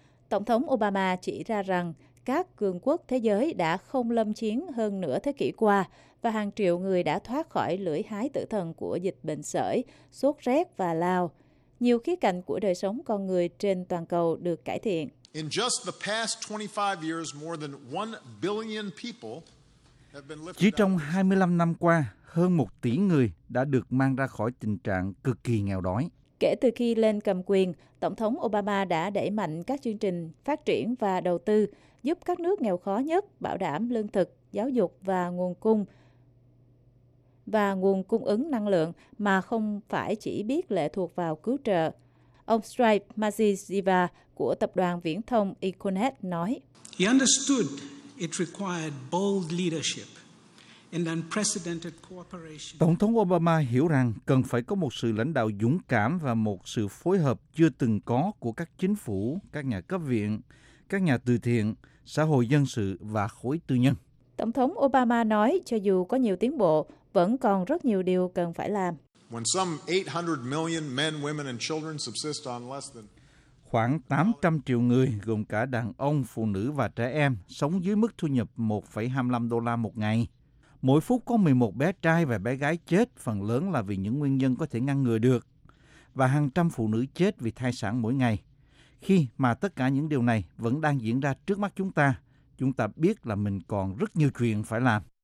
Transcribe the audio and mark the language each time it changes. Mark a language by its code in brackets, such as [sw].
[vi] Tổng thống Obama chỉ ra rằng các cường quốc thế giới đã không lâm chiến hơn nửa thế kỷ qua và hàng triệu người đã thoát khỏi lưỡi hái tử thần của dịch bệnh sởi, sốt rét và lao. Nhiều khía cạnh của đời sống con người trên toàn cầu được cải thiện. [en] In just the past 25 years, more than 1 billion people have been lifted. [vi] Chỉ trong 25 năm qua, hơn 1 tỷ người đã được mang ra khỏi tình trạng cực kỳ nghèo đói. Kể từ khi lên cầm quyền, Tổng thống Obama đã đẩy mạnh các chương trình phát triển và đầu tư giúp các nước nghèo khó nhất bảo đảm lương thực, giáo dục và nguồn cung ứng năng lượng mà không phải chỉ biết lệ thuộc vào cứu trợ. Ông Stripe Majiziva của tập đoàn viễn thông Econet nói: [en] He understood it required bold leadership and unprecedented cooperation. [vi] Tổng thống Obama hiểu rằng cần phải có một sự lãnh đạo dũng cảm và một sự phối hợp chưa từng có của các chính phủ, các nhà cấp viện, các nhà từ thiện, xã hội dân sự và khối tư nhân. Tổng thống Obama nói cho dù có nhiều tiến bộ, vẫn còn rất nhiều điều cần phải làm. [en] When some 800 million men, women and children subsist on less than [vi] Khoảng 800 triệu người, gồm cả đàn ông, phụ nữ và trẻ em, sống dưới mức thu nhập $1.25 một ngày. Mỗi phút có 11 bé trai và bé gái chết, phần lớn là vì những nguyên nhân có thể ngăn ngừa được. Và hàng trăm phụ nữ chết vì thai sản mỗi ngày. Khi mà tất cả những điều này vẫn đang diễn ra trước mắt chúng ta biết là mình còn rất nhiều chuyện phải làm.